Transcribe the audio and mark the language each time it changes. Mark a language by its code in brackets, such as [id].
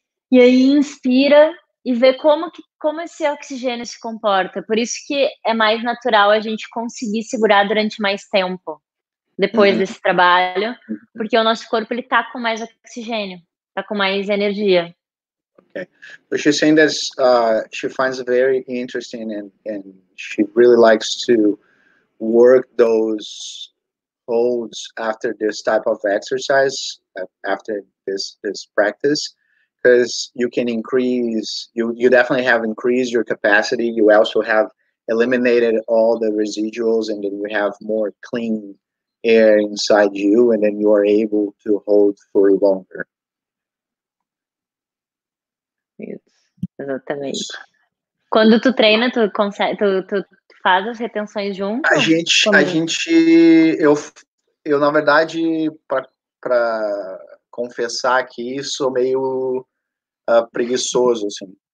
[pt] E aí inspira e vê como esse oxigênio se comporta. Por isso que é mais natural a gente conseguir segurar durante mais tempo depois desse trabalho, porque o nosso corpo ele tá com mais oxigênio, tá com mais energia. [en] Okay. But she's saying that she finds very interesting and she really likes to work those holds after this type of exercise, after this practice, because you can increase, you definitely have increased your capacity. You also have eliminated all the residuals, and then you have more clean air inside you, and then you are able to hold for longer. [pt] Exatamente. Quando tu treina, tu consegue, tu faz as retenções junto? Como? Eu, na verdade, para confessar aqui, sou meio preguiçoso, assim.